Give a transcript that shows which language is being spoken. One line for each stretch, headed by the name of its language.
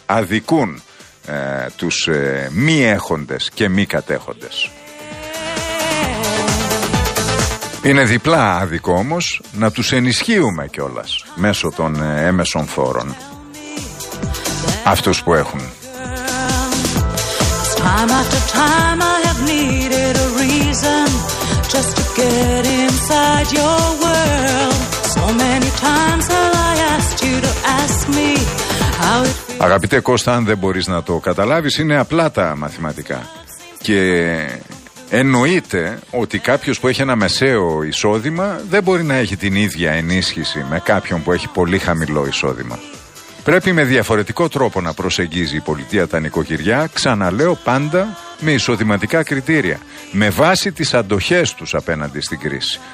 Greek: Αδικούν τους μη έχοντες και μη κατέχοντες. Είναι διπλά άδικο όμως να τους ενισχύουμε κιόλας μέσω των έμεσων φόρων. Αυτούς που έχουν.
English: Time after time I have needed a reason just to get inside your world. So many times have I asked you to ask me how it feels.
Greek: Αγαπητέ Κώστα, αν δεν μπορείς να το καταλάβεις, είναι απλά τα μαθηματικά. Και εννοείται ότι κάποιος που έχει ένα μεσαίο εισόδημα δεν μπορεί να έχει την ίδια ενίσχυση με κάποιον που έχει πολύ χαμηλό εισόδημα. Πρέπει με διαφορετικό τρόπο να προσεγγίζει η πολιτεία τα νοικοκυριά, ξαναλέω, πάντα με εισοδηματικά κριτήρια, με βάση τις αντοχές τους απέναντι στην κρίση.